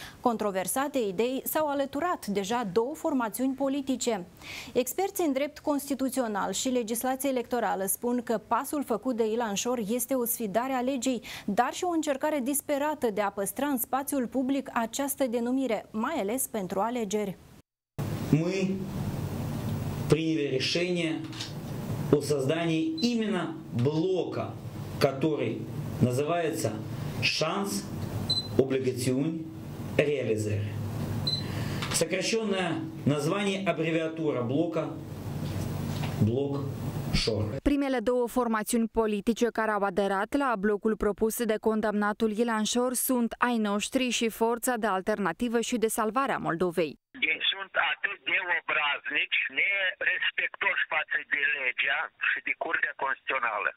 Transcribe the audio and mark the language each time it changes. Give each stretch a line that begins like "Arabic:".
Romanian: Controversate idei s-au alăturat deja două formațiuni politice. Experții în drept constituțional și legislație electorală spun că pasul făcut de Ilan Șor este o sfidare a legii, dar și o încercare disperată de a păstra în spațiul public această denumire, mai ales pentru alegeri.
Russian: Мы приняли решение о создании именно блока, который называется Шанс Облигаціоні Реалізери. Сокращенное название аббревиатура блока блок Шор.
Romanian: Primele două formațiuni politice care au aderat la blocul propus de condamnatul Ilan Șor sunt Ai Noștri și Forța de Alternativă și de Salvare a Moldovei. Ei sunt atât de obraznici, nerespectoși față de legea și de Curtea Constituțională.